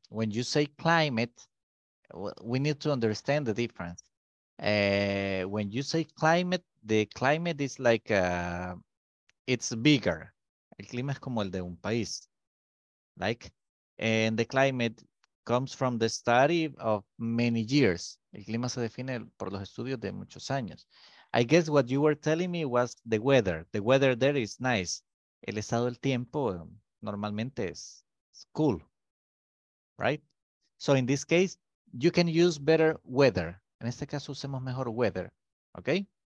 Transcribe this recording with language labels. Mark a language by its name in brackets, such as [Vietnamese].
[English] When you say climate, we need to understand the difference. When you say climate, the climate is like a... It's bigger. [Spanish] El clima es como el de un país. [English] Like, and the climate comes from the study of many years. [Spanish] El clima se define por los estudios de muchos años. [English] I guess what you were telling me was the weather. The weather there is nice. [Spanish] El estado del tiempo normalmente es cool. [English] Right? So in this case, you can use better weather. [Spanish] En este caso, usemos mejor weather. Okay?